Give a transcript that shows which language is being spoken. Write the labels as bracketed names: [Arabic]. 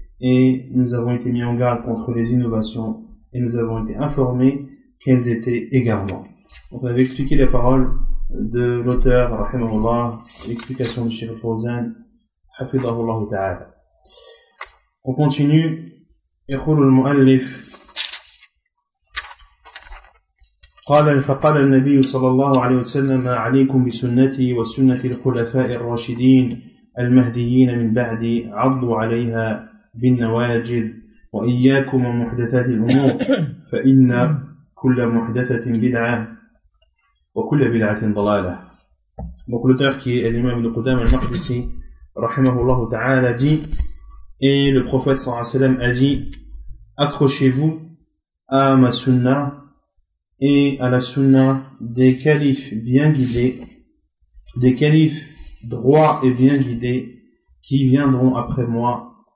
[French] Et nous avons été mis en garde contre les innovations et nous avons été informés qu'elles étaient égarements. On avait expliqué les paroles de l'auteur, rahimahullah, l'explication de Cheikh Fawzan, hafidhahullah ta'ala. On continue. [Arabic] يقول المؤلف قال فقال النبي صلى الله عليه وسلم عليكم بسنتي وسنة الخلفاء الراشدين المهديين من بعدي عضوا عليها بالنواجذ وإياكم ومحدثات الأمور فإن كل محدثة بدعة وكل بدعة ضلالة. [French] Donc l'auteur qui est l'imam de Qudam al-Maqdisi rahimahullah ta'ala dit, et le prophète sallallahu alayhi wa sallam a dit, accrochez-vous à ma sunna et à la sunna des califes bien guidés, des califes droits et bien guidés qui viendront après moi.